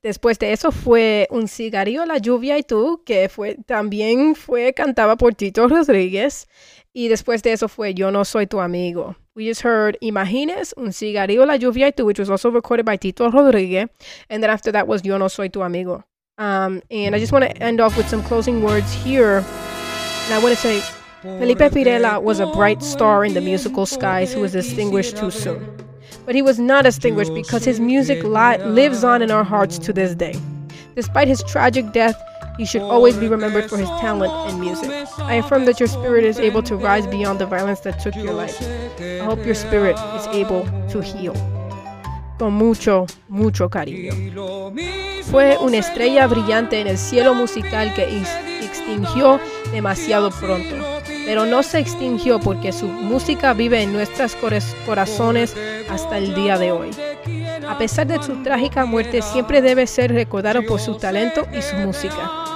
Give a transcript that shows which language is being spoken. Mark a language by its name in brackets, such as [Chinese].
[Spanish] Después de eso fue Un Cigarrillo, La Lluvia y Tú, que fue, también fue cantada por Tito Rodríguez. Y después de eso fue Yo No Soy Tu Amigo. [English] We just heard Imágenes, Un Cigarrillo, La Lluvia y Tú, which was also recorded by Tito Rodríguez. And then after that was Yo No Soy Tu Amigo. And I just want to end off with some closing words here. And I want to say, Felipe Pirela was a bright star in the musical skies who was extinguished too soon. But he was not extinguished because his music lives on in our hearts to this day. Despite his tragic death, he should always be remembered for his talent in music. I affirm that your spirit is able to rise beyond the violence that took your life. I hope your spirit is able to heal. [Spanish] Con mucho, mucho cariño. Fue una estrella brillante en el cielo musical que extinguió demasiado pronto. Pero no se extinguió porque su música vive en nuestros corazones hasta el día de hoy. A pesar de su trágica muerte, siempre debe ser recordado por su talento y su música.